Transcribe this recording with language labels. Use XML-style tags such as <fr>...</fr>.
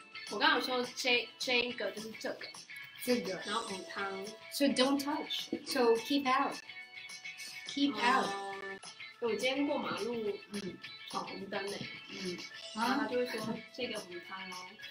<zh>我刚刚说这个就是这个，这个，然后母汤</zh> <en>，So don't touch, so keep out, keep out.</en> <zh>我今天过马路，闯红灯嘞，然后他就会说这个母汤哦。</zh>